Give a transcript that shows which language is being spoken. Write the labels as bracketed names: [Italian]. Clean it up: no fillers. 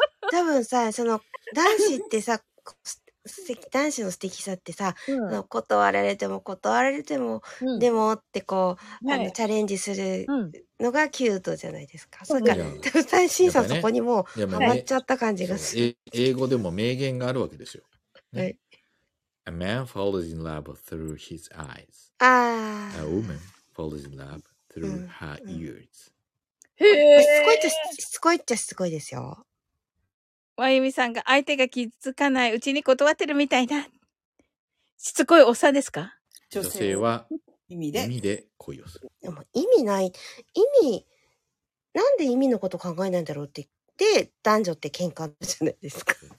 [Japanese] 多分さ、その、男子ってさ、男子の素敵さってさ、うん、断られても断られても、うん、でもってこう、はい、あのチャレンジするのがキュートじゃないですか。うん、そうか、たぶん最新さんそこにもうハマっちゃった感じがする、ね。英語でも名言があるわけですよ。ね、はい。 [English] A man falls in love through his eyes. [Japanese] あ、 [English] A woman falls in love through her ears.、 [Japanese] うんうん、へぇー。しつこいっちゃしつこいですよ。まゆみさんが相手が傷つかないうちに断ってるみたいな。しつこいおっさんですか？女性は意味で恋をする。でも意味ない。意味、なんで意味のこと考えないんだろうって言って、男女って喧嘩じゃないですか。